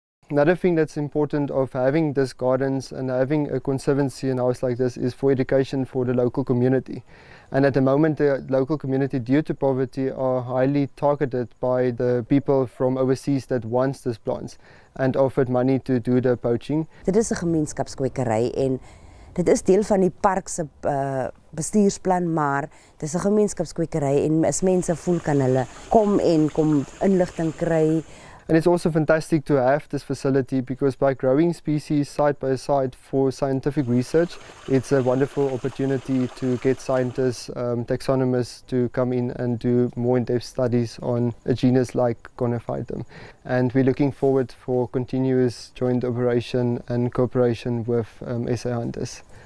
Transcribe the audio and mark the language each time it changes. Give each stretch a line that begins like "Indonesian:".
English: Another thing that's important of having this gardens and having a conservancy in a house like this is for education for the local community. And at the moment, the local community, due to poverty, are highly targeted by the people from overseas that wants these plants and offered money to do the poaching.
Afrikaans: Dit is 'n gemeenskapskwekery en dit is deel van die park se bestuursplan, maar dit is 'n gemeenskapskwekery en as mense voel kan hulle kom en kom inligting kry.
English: And it's also fantastic to have this facility because by growing species side by side for scientific research, it's a wonderful opportunity to get scientists, taxonomists to come in and do more in-depth studies on a genus like Conifitum. And we're looking forward for continuous joint operation and cooperation with SA Hunters.